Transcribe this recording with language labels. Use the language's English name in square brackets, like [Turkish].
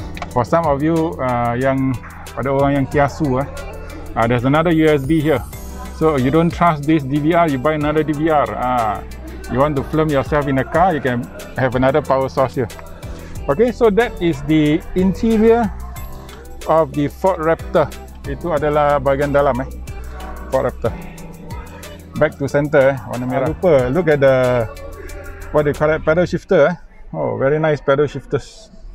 [English] For some of you [Malay] yang pada orang yang kiasu, [English] there's another USB here. So you don't trust this DVR, you buy another DVR. You want to film yourself in a car, you can have another power source here. Okay, so that is the interior of the Ford Raptor. [Malay] Itu adalah bahagian dalam Ford Raptor. [English] Back to center [Malay] warna merah. [English] Lupa, look at the, what they call it, pedal shifter Oh, very nice pedal shifters.